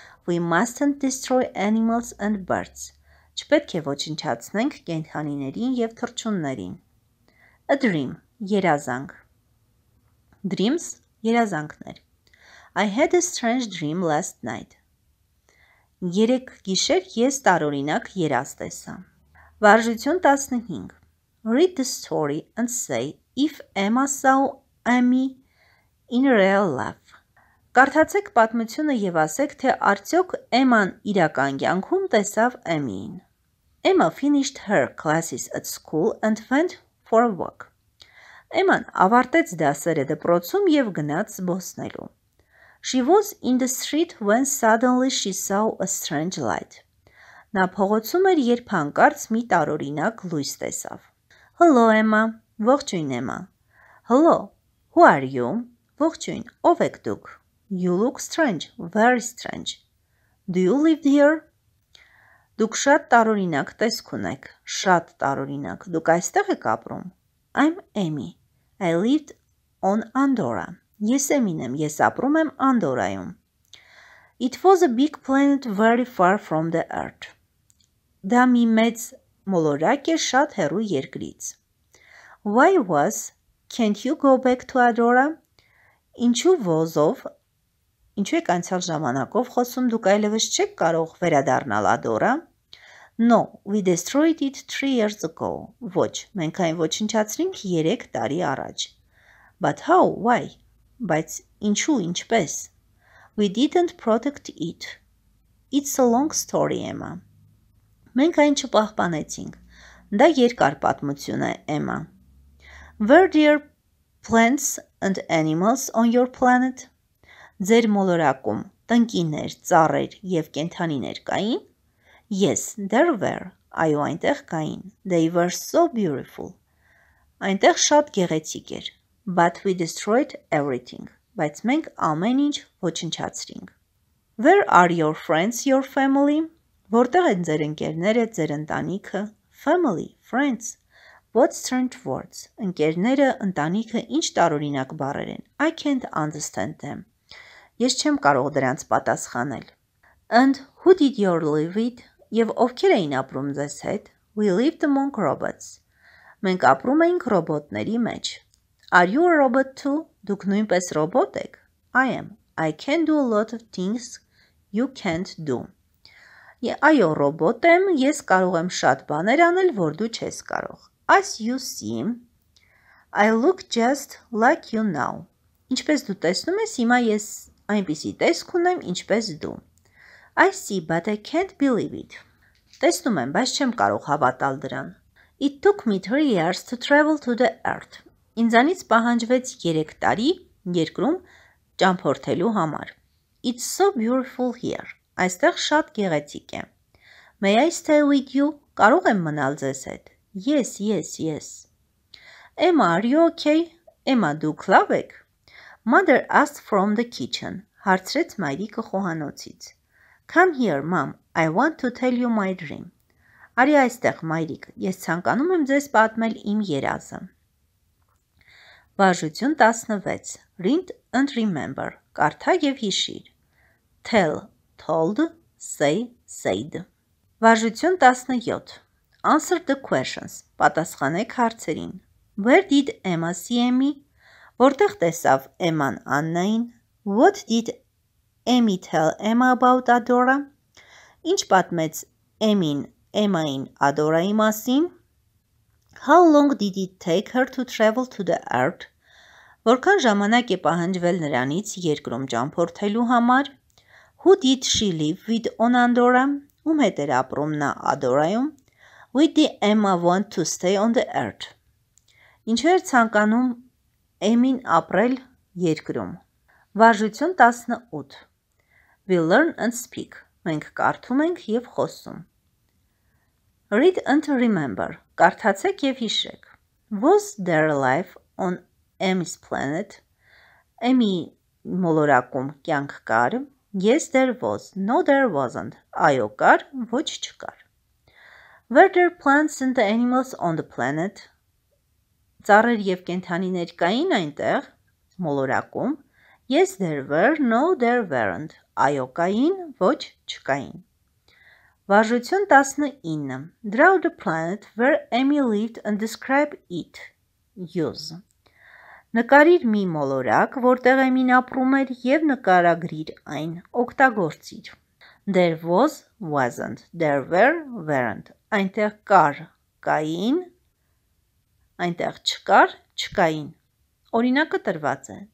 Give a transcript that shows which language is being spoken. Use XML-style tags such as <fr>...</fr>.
<en>We mustn't destroy animals and birds.</en> <hy>Չպետք է ոչնչացնենք կենդանիներին և թռչուններին.</hy> <en>A dream.</en> <hy>Երազանք.</hy> <en>Dreams.</en> <hy>Երազանքներ.</hy> <en>I had a strange dream last night.</en> <hy>Երեք գիշեր ես տարօրինակ երազ տեսա. Վարժություն 15.</hy> <en>Read the story and say if Emma saw Amy in real life.</en> <hy>Կարդացեք պատմությունը և ասեք, թե արդյոք Emma-ն իրական կյանքում տեսավ Amy-ին.</hy> <en>Emma finished her classes at school and went for a walk.</en> <hy>Emma-ն ավարտեց դասերը դպրոցում և գնաց զբոսնելու.</hy> <en>She was in the street when suddenly she saw a strange light.</en> <hy>Նա փողոցում էր, երբ հանկարծ մի տարօրինակ լույս տեսավ.</hy> <en>Hello, Emma.</en> <hy>Ողջույն, Emma.</hy> <en>Hello. Who are you?</en> <hy>Ողջույն, ով եք դուք?</hy> <en>You look strange. Very strange. Do you live here?</en> <hy>Դուք շատ տարօրինակ տեսք ունեք. Շատ տարօրինակ. Դուք այստեղ եք ապրում?</hy> <en>I'm Amy. I lived on Andorra.</en> <hy>Ես Amy-ն եմ, ես ապրում եմ Անդորայում.</hy> <en>It was a big planet very far from the Earth.</en> <hy>Դա մի մեծ մոլորակ է շատ հեռու երկրից.</hy> <en>Why was, can't you go back to Andorra?</en> <hy>Ինչու ոզով, ինչու եք անցյալ ժամանակով խոսում, դուք այլևս չեք կարող վերադառնալ Andorra?</hy> <en>No, we destroyed it 3 years ago.</en> <hy>Ոչ, մենք այն ոչնչացրինք 3 տարի առաջ.</hy> <en>But how, why?</en> <hy>Բայց ինչու, ինչպես?</hy> <en>We didn't protect it. It's a long story, Emma.</en> <hy>Մենք այն չպահպանեցինք. Դա երկար պատմություն է, Emma.</hy> <en>Were there plants and animals on your planet?</en> <hy>Ձեր մոլորակում տնկիներ, ծառեր և կենդանիներ կային?</hy> <en>Yes, there were.</en> <hy>Այո, այնտեղ կային.</hy> <en>They were so beautiful.</en> <hy>Այնտեղ շատ գեղեցիկ էր.</hy> <en>But we destroyed everything.</en> <hy>Բայց մենք ամեն ինչ ոչնչացրինք.</hy> <en>Where are your friends, your family?</en> <hy>Որտեղ են ձեր ընկերները, ձեր ընտանիքը?</hy> <en>Family, friends. What strange words?</en> <hy>Ընկերները, ընտանիքը ինչ տարօրինակ բառեր են?</hy> <en>I can't understand them.</en> <hy>Ես չեմ կարող դրանց պատասխանել.</hy> <en>And who did you live with?</en> <hy>Եվ ովքեր էին ապրում ձեզ հետ?</hy> <en>We lived among robots.</en> <hy>Մենք ապրում էինք ռոբոտների մեջ.</hy> <en>Are you a robot too?</en> <hy>Դուք նույնպես ռոբոտ եք?</hy> <en>I am. I can do a lot of things you can't do.</en> <hy>Այո, ռոբոտ եմ, ես կարող եմ շատ բաներ անել, որ դու չես կարող.</hy> <en>As you see, I look just like you now.</en> <hy>Ինչպես դու տեսնում ես, հիմա ես այնպիսի տեսք ունեմ, ինչպես դու.</hy> <en>I see, but I can't believe it.</en> <hy>Տեսնում եմ, բայց չեմ կարող հավատալ դրան.</hy> <en>It took me 3 years to travel to the Earth.</en> <hy>Ինձանից պահանջվեց 3 տարի երկրում ճամփորդելու համար.</hy> <en>It's so beautiful here.</en> <hy>Այստեղ շատ գեղեցիկ է.</hy> <en>May I stay with you?</en> <hy>Կարող եմ մնալ ձեզ հետ?</hy> <en>Yes, yes, yes. Emma, are you okay?</en> <hy>Emma, դուք լավ եք?</hy> <en>Mother asked from the kitchen.</en> <hy>Հարցրեց մայրիկը խոհանոցից.</hy> <en>Come here, mom. I want to tell you my dream.</en> <hy>Արի այստեղ, մայրիկ, ես ցանկանում եմ ձեզ պատմել իմ երազը. Վարժություն 16.</hy> <en>Read and remember.</en> <hy>Կարդա և հիշիր.</hy> <en>Tell, told, say, said.</en> <hy>Վարժություն 17.</hy> <en>Answer the questions.</en> <hy>Պատասխանեք հարցերին.</hy> <en>Where did Emma see Amy?</en> <hy>Որտեղ տեսավ Emma-ն Աննային?</hy> <en>What did Amy tell Emma about Andorra?</en> <hy>Ինչ պատմեց Amy-ն Emma-ին Andorra-ի մասին?</hy> <en>How long did it take her to travel to the Earth?</en> <hy>Որքան ժամանակ է պահանջվել նրանից երկրում ճամփորդելու համար?</hy> <en>Who did she live with on Andorra?</en> <hy>Ում հետ էր ապրում նա Andorra-ում?</hy> <en>Why did Emma want to stay on the Earth?</en> <hy>Ինչու էր ցանկանում Amy-ն ապրել երկրում? Վարժություն 18.</hy> <en>We learn and speak.</en> <hy>Մենք կարդում ենք և խոսում.</hy> <en>Read and remember.</en> <hy>Կարդացեք եւ հիշեք.</hy> <en>Was there life on Amy's planet?</en> <hy>Amy մոլորակում կյանք կար?</hy> <en>Yes, there was. No, there wasn't.</en> <hy>Այո կար, ոչ չկար.</hy> <en>Were there plants and animals on the planet?</en> <hy>Ծառեր եւ կենդանիներ կային այնտեղ, մոլորակում?</hy> <en>Yes, there were. No, there weren't.</en> <hy>Այո կային, ոչ չկային. Վարժություն 19.</hy> <en>Draw the planet where Amy lived and describe it. Use.</en> <hy>Նկարիր մի մոլորակ, որտեղ Amy-ն ապրում էր եւ նկարագրիր այն, օգտագործիր.</hy> <en>There was, wasn't. There were, weren't.</en> <hy>Այնտեղ կար, կային. Այնտեղ չկար, չկային. Օրինակը տրված է.</hy>